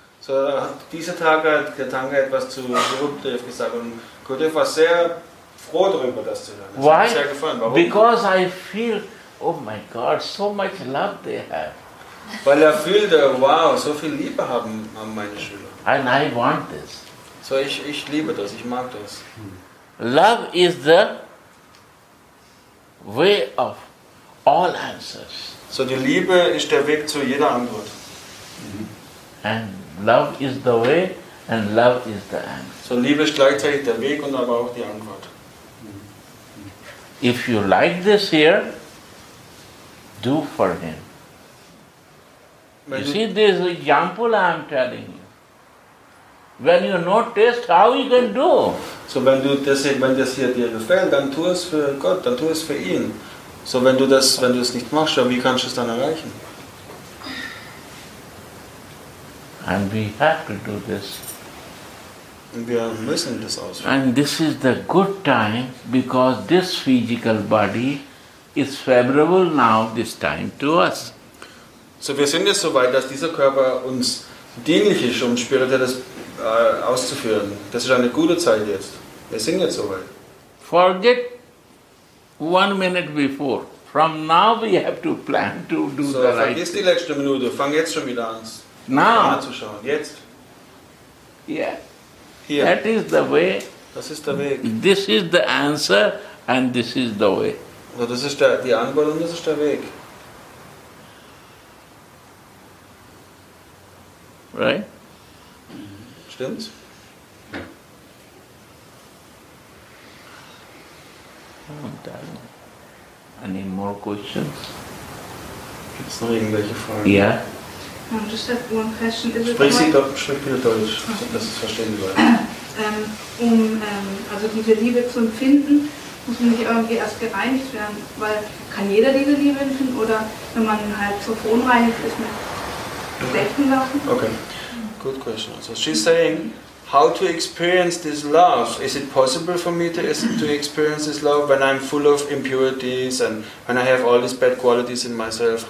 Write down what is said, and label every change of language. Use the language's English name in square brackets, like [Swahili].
[German] So, diese Tage hat Tirthanga etwas zu Gurudev gesagt. Und Gurudev war sehr froh darüber, das zu hören. [English] Why? [German] Hat mich sehr gefallen. Warum? [English] Because I feel, oh my God, so much love they have. [German] Weil er fühlte, wow, so viel Liebe haben meine Schüler. [English] And I want this. [German] So ich liebe das, ich mag das. [English] Love is the way of all answers. [German] So die Liebe ist der Weg zu jeder Antwort. [English] And love is the way and love is the answer. [German] So Liebe ist gleichzeitig der Weg und aber auch die Antwort. [English] If you like this here, do for him. You see, this example I am telling you. When you know taste, how you can do? [German] So wenn du das, wenn das hier dir gefällt, dann tu es für Gott, dann tu es für ihn. So wenn du das, wenn du es nicht machst, wie kannst du es dann erreichen? [English] And we have to do this. [German] Wir müssen das ausführen. [English] And this is the good time, because this physical body is favorable now, this time to us. [German] So wir sind jetzt so weit, dass dieser Körper uns dienlich ist, um spirituelles auszuführen. Das ist eine gute Zeit jetzt. Wir sind jetzt so weit. [English] Forget one minute before. From now we have to plan to do so, the right. [German] So vergiss die letzte Minute. Fang jetzt schon wieder an. [English] Now. [German] Anzuschauen. Jetzt. [English] Yeah. Here. That is the way. [German] Das ist der Weg. [English] This is the answer and this is the way. [German] So das ist der, die Antwort und das ist der Weg. [English] Right? [German] Stimmt's? [English] Any more questions? [German] Gibt es noch irgendwelche Fragen? Ja. Yeah. Sprich sie doch, sprich bitte Deutsch, okay. Dass es verstehen wird. Also diese Liebe zu empfinden, muss man nicht irgendwie erst gereinigt werden, weil kann jeder diese Liebe empfinden oder wenn man halt so verunreinigt ist mit schlechten Sachen? [English] Okay. Good question. So she's saying, how to experience this love? Is it possible for me to experience this love when I'm full of impurities and when I have all these bad qualities in myself?